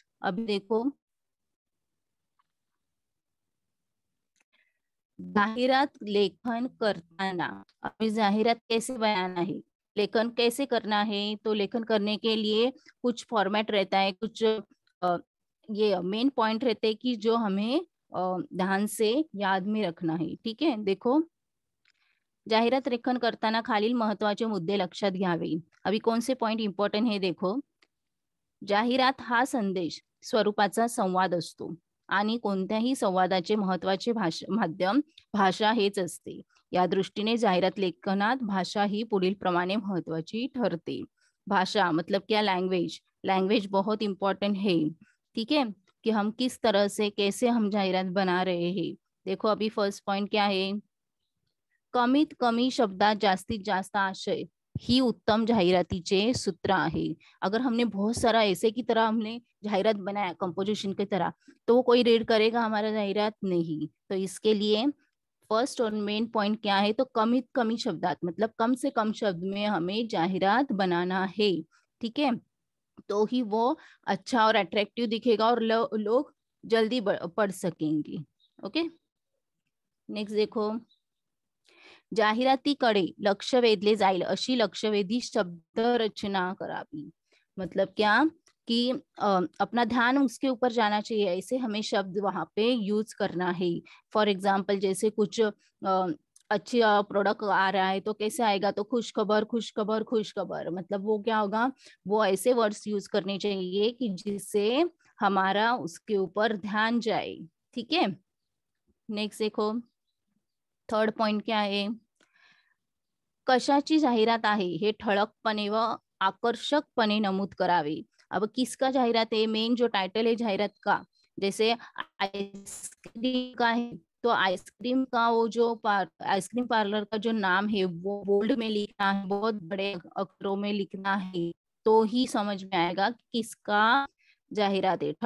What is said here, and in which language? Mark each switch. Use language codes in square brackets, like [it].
[hi] अब देखो जाहिरात लेखन करताना अभी जाहिरात कैसे बनाना है, लेखन कैसे करना है. तो लेखन करने के लिए कुछ फॉर्मेट रहता है, कुछ ये मेन पॉइंट रहते हैं कि जो हमें ध्यान से याद में रखना है, ठीक है. [mr] देखो जाहिरात लेखन करताना खालील महत्वाचे मुद्दे लक्षात घ्यावे. [hi] अभी कौन से पॉइंट इम्पॉर्टेंट है, [mr] देखो जाहिरात हा संदेश स्वरूपाचा संवाद असतो आणि कोणत्याही संवादाचे महत्त्वाचे माध्यम भाषा हेच असते. या दृष्टीने जाहिरात लेखनात भाषा ही पुढील प्रमाणे महत्त्वाची ठरते. [hi] भाषा मतलब क्या, लँग्वेज. लँग्वेज बहुत इम्पॉर्टेंट है. ठीक है, कि हम किस तरह से कैसे हम जाहिरात बना रहे हैं। देखो अभी फर्स्ट पॉइंट क्या है, [mr] कमीत कमी शब्दा जास्तीत जास्त आशय ही उत्तम जाहिरातीचे सूत्र आहे। [hi] अगर हमने बहुत सारा ऐसे की तरह हमने जाहिरात बनाया कंपोजिशन की तरह, तो वो कोई रीड करेगा हमारा जाहिरात? नहीं। तो इसके लिए फर्स्ट और मेन पॉइंट क्या है, तो [mr] कमीत कमी शब्दात [hi] मतलब कम से कम शब्द में हमें जाहिरात बनाना है, ठीक है, तो ही वो अच्छा और अट्रैक्टिव दिखेगा और लोग जल्दी पढ़ सकेंगे। [mr] ओके, नेक्स्ट देखो, जाहिराती कडे लक्ष वेधले जाईल अशी लक्षवेधी शब्द रचना करावी। [hi] मतलब क्या कि अपना ध्यान उसके ऊपर जाना चाहिए, ऐसे हमें शब्द वहां पे यूज करना है। फॉर एग्जाम्पल, जैसे कुछ अच्छे प्रोडक्ट आ रहा है तो कैसे आएगा, तो खुशखबर खुशखबर खुशखबर, मतलब वो क्या होगा, वो ऐसे वर्ड्स यूज करने चाहिए कि जिससे हमारा उसके ऊपर ध्यान जाए, ठीक है। नेक्स्ट देखो, थर्ड पॉइंट क्या है, [mr] कशाची जाहिरात आहे हे ठळकपणे व आकर्षकपणे नमूद करावे। [hi] अब किसका जाहिरात है, मेन जो टाइटल है जाहिरात का, जैसे आइसक्रीम का है, तो आइसक्रीम का वो जो आइसक्रीम पार्लर का जो नाम है वो बोल्ड में लिखना है, बहुत बड़े अक्षरों में लिखना है, तो ही समझ में आएगा कि किसका जाहिरात है।